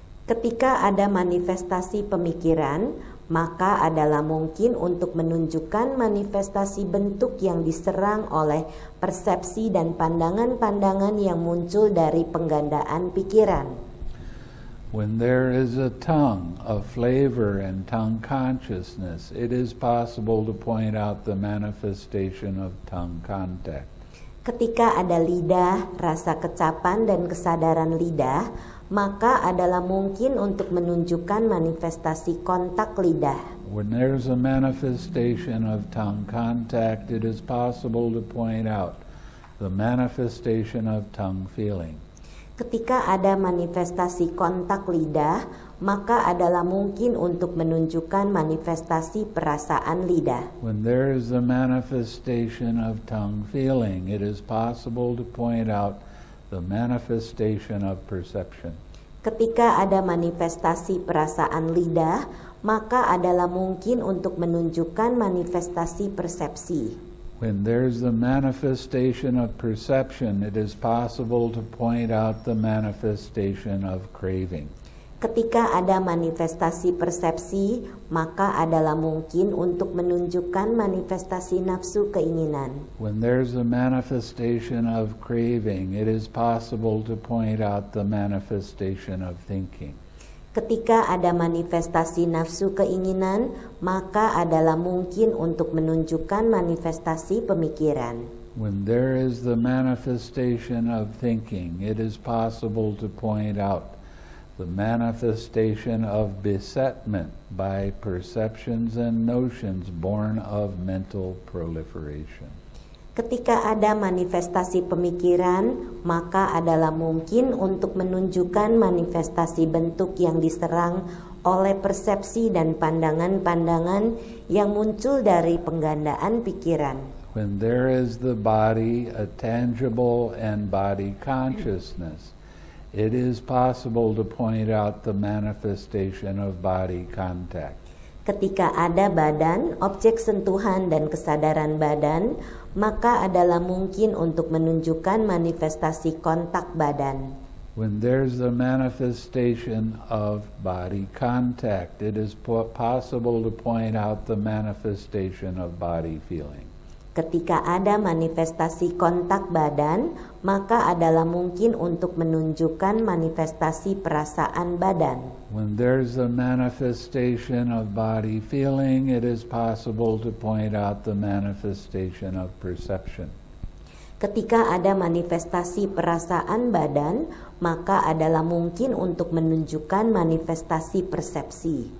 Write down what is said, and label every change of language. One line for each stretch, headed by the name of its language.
Indonesian: Ketika ada manifestasi pemikiran, maka adalah mungkin untuk menunjukkan manifestasi bentuk yang diserang oleh persepsi dan pandangan-pandangan yang muncul dari penggandaan pikiran.
English: When there is a tongue, a flavor, and tongue consciousness, it is possible to point out the manifestation of tongue contact.
Indonesian: Ketika ada lidah, rasa kecapan, dan kesadaran lidah, maka adalah mungkin untuk menunjukkan manifestasi kontak lidah.
English: When there is a manifestation of tongue contact, it is possible to point out the manifestation of tongue feeling.
Indonesian: Ketika ada manifestasi kontak lidah, maka adalah mungkin untuk menunjukkan manifestasi perasaan lidah.
English: When there is a manifestation of tongue feeling, it is possible to point out the manifestation of perception.
Indonesian: Ketika ada manifestasi perasaan lidah, maka adalah mungkin untuk menunjukkan manifestasi persepsi.
English: When there's the manifestation of perception, it is possible to point out the manifestation of craving.
Indonesian: Ketika ada manifestasi persepsi, maka adalah mungkin untuk menunjukkan manifestasi nafsu keinginan.
English: When there's a manifestation of craving, it is possible to point out the manifestation of thinking.
Indonesian: Ketika ada manifestasi nafsu keinginan, maka adalah mungkin untuk menunjukkan manifestasi pemikiran.
English: When there is the manifestation of thinking, it is possible to point out the manifestation of besetment by perceptions and notions born of mental proliferation.
Indonesian: Ketika ada manifestasi pemikiran, maka adalah mungkin untuk menunjukkan manifestasi bentuk yang diserang oleh persepsi dan pandangan-pandangan yang muncul dari penggandaan pikiran.
English: When there is the body, a tangible and body consciousness, it is possible to point out the manifestation of body contact.
Indonesian: Ketika ada badan, objek sentuhan, dan kesadaran badan, maka adalah mungkin untuk menunjukkan manifestasi kontak badan.
English: When there's the manifestation of body contact, it is possible to point out the manifestation of body feeling.
Indonesian: Ketika ada manifestasi kontak badan, maka adalah mungkin untuk menunjukkan manifestasi perasaan badan.
English: When there's a manifestation of body feeling, it is possible to point out the manifestation of perception.
Indonesian: Ketika ada manifestasi perasaan badan, maka adalah mungkin untuk menunjukkan manifestasi persepsi.